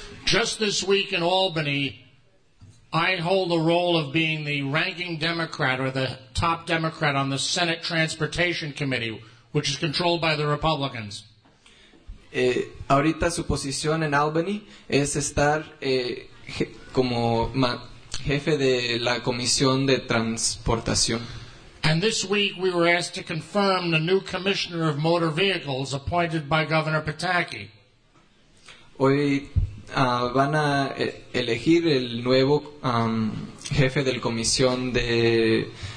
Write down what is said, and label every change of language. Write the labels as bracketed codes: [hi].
[en] Just this week in Albany, I hold the role of being the ranking Democrat or the top Democrat on the Senate Transportation Committee, which is controlled by the Republicans. [es] Ahorita su posición en Albany es estar jefe de la Comisión de Transportación. [en] And this week we were asked to confirm the new Commissioner of Motor Vehicles appointed by Governor Pataki. [es] Van a elegir el nuevo jefe del comisión de